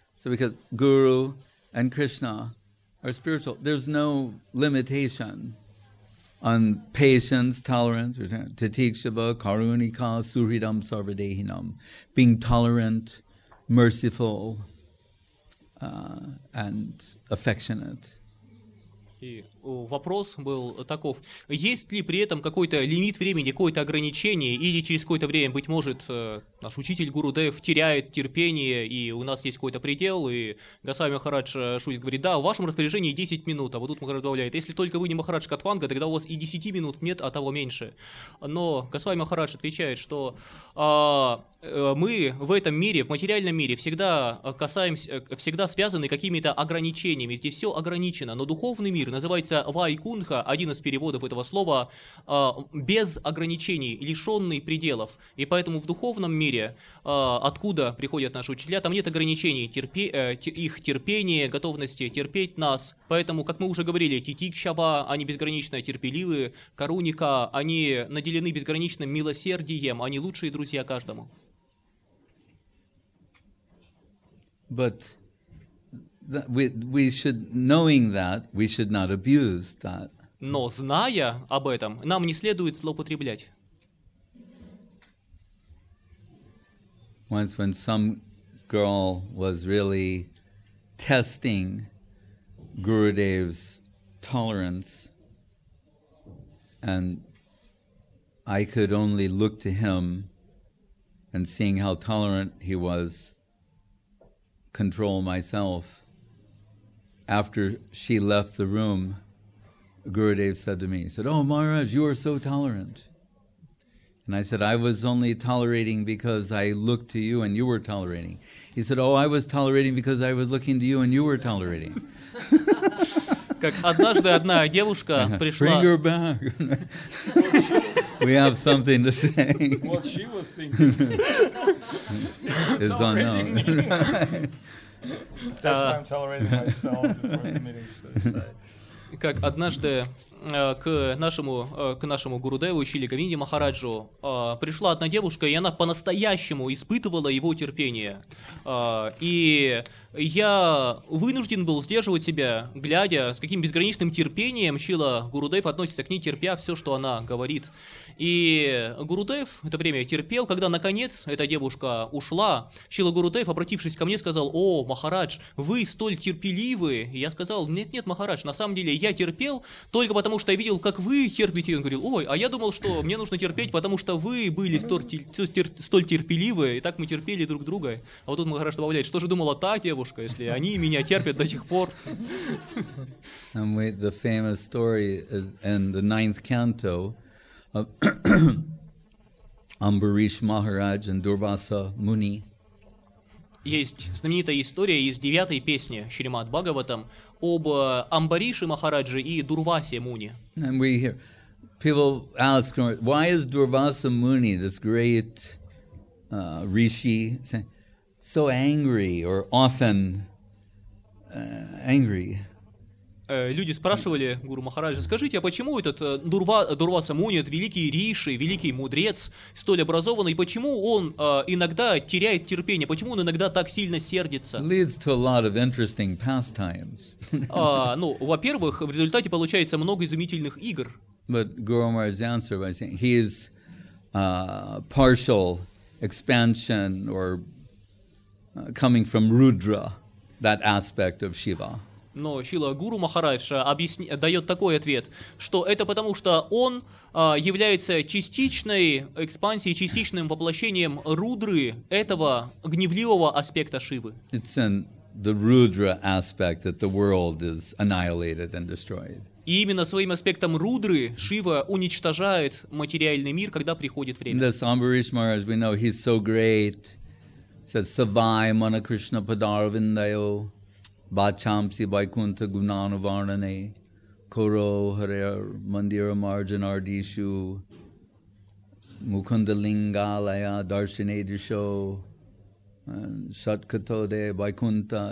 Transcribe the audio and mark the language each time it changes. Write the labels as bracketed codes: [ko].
[en] So because Guru and Krishna are spiritual, there's no limitation on patience, tolerance, [sa] tatikshava, karunika, suhridam, sarvadehinam, [en] being tolerant, merciful, and affectionate. [ru] И вопрос был таков, есть ли при этом какой-то лимит времени, какое-то ограничение, или через какое-то время, быть может, наш учитель Гуру Дев теряет терпение, и у нас есть какой-то предел, и Госвами Махарадж шутит, говорит, да, в вашем распоряжении 10 минут, а вот тут Махарадж добавляет, если только вы не Махарадж Катванга, тогда у вас и 10 минут нет, а того меньше. Но Госвами Махарадж отвечает, что мы в этом мире, в материальном мире, всегда касаемся, всегда связаны какими-то ограничениями, здесь все ограничено, но духовный мир называется Вайкунха, один из переводов этого слова, без ограничений, лишенный пределов, и поэтому в духовном мире, откуда приходят наши учителя, там нет ограничений, их терпение, готовности терпеть нас, поэтому, как мы уже говорили, титикшава, они безгранично терпеливы, каруника, они наделены безграничным милосердием, они лучшие друзья каждому. [en] But we should, knowing that, we should not abuse that. [ru] Но зная об этом, нам не следует злоупотреблять. [en] Once when some girl was really testing Gurudev's tolerance, and I could only look to him and seeing how tolerant he was, control myself after she left the room, Gurudev said to me, he said, "Oh, Maharaj, you are so tolerant." And I said, "I was only tolerating because I looked to you and you were tolerating." He said, "Oh, I was tolerating because I was looking to you and you were tolerating." [ru] Как однажды одна девушка пришла... [en] Bring her back. We have something to say. What she was thinking is unknown. Right. That's why I'm tolerating myself before the meeting. [ru] Как однажды к нашему Гурудеву, Шили Гавинди Махараджу, пришла одна девушка, и она по-настоящему испытывала его терпение. И я вынужден был сдерживать себя, глядя, с каким безграничным терпением Шила Гурудев относится к ней, терпя все, что она говорит. И Гурудев в это время терпел, когда, наконец, эта девушка ушла. Шила Гурудев, обратившись ко мне, сказал: «О, Махарадж, вы столь терпеливы!» И я сказал: «Нет-нет, Махарадж, на самом деле я терпел только потому, что я видел, как вы терпите». И он говорил: «Ой, а я думал, что мне нужно терпеть, потому что вы были столь терпеливы, и так мы терпели друг друга». А вот тут Махарадж добавляет: «Что же думала та девушка, если они меня терпят до сих пор?» [en] The famous story in the ninth canto of Amburish Maharaj and Durvasa Muni. [ru] Есть знаменитая история из девятой песни Шримад Бхагаватам об Амбарише Махараджи и Дурвасе Муни. [en] And we hear people ask, why is Durvasa Muni, this great rishi, so angry or often angry? [ru] Люди спрашивали Гуру Махараджа: «Скажите, а почему этот Дурваса Муни, этот великий риши, великий мудрец, столь образованный, почему он иногда теряет терпение, почему он иногда так сильно сердится?» [en] Leads to a lot of interesting pastimes. [ru] Ну, во-первых, в результате получается много изумительных игр. [en] But Guru Maharaj's answer by saying he is partial expansion or coming from Rudra, that aspect of Shiva. [ru] Но Шрила Гуру Махарадж дает такой ответ, что это потому, что он является частичной экспансией, частичным воплощением Рудры, этого гневливого аспекта Шивы. [en] It's in the Rudra aspect that the world is annihilated and destroyed. [ru] И именно своим аспектом Рудры Шива уничтожает материальный мир, когда приходит время. [en] This Amburish Maharaj, we know he's so great, says [sa] Savai Mana Krishna Padaravindayo. Bachamsi Vaikuntha Gunanuvarnane Koro Hare Mandira Marjanardishu Mukundalingalaya Darshanadisho Satkatode Vaikuntha.